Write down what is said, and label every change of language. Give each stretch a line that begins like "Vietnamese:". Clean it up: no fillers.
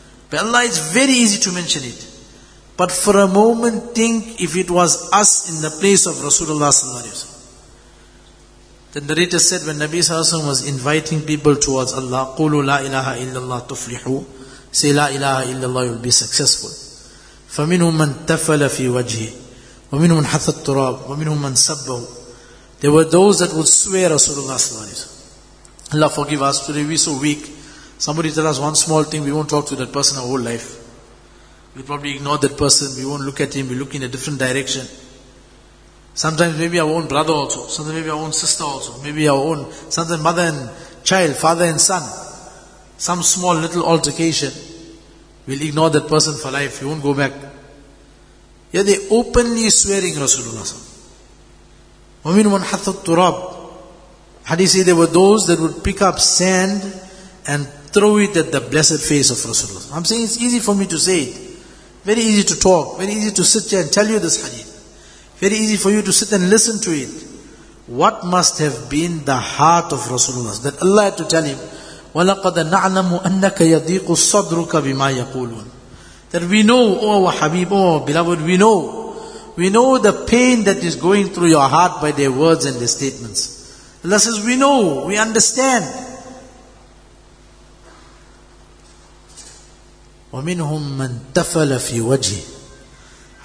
English: By Allah, it's very easy to mention it. But for a moment, think if it was us in the place of Rasulullah Sallallahu Alaihi Wasallam. The narrator said, when Nabi Sallallahu Alaihi Wasallam was inviting people towards Allah,
Arabic: قُلُوا لَا إِلَهَ إِلَّا اللَّهُ تُفْلِحُوا,
English: say, La ilaha illallah, you'll be successful.
Arabic: فمنهم من تفل في وجهه ومنهم من حث التراب ومنهم من سبه.
English: There were those that would swear Rasulullah صلى الله عليه وسلم. Allah forgive us, today we're so weak. Somebody tell us one small thing, we won't talk to that person our whole life. We'll probably ignore that person, we won't look at him, we'll look in a different direction. Sometimes maybe our own brother also, sometimes maybe our own sister also, maybe our own, sometimes mother and child, father and son. Some small little altercation, we'll ignore that person for life, we won't go back. Yet they openly swearing Rasulullah sallallahu alayhi wa sallam. Hadith say there were those that would pick up sand and throw it at the blessed face of Rasulullah. I'm saying it's easy for me to say it. Very easy to talk. Very easy to sit here and tell you this hadith. Very easy for you to sit and listen to it. What must have been the heart of Rasulullah? That Allah had to tell him,
Arabic: وَلَقَدَ نَعْلَمُ أَنَّكَ يَضِيقُ صَدْرُكَ بِمَا يَقُولُونَ.
English: That we know, oh our Habib, oh our beloved, we know. We know the pain that is going through your heart by their words and their statements. Allah says, we know, we understand.
Arabic: وَمِنْهُمْ مَنْ تَفَلَ فِي وَجْهِ.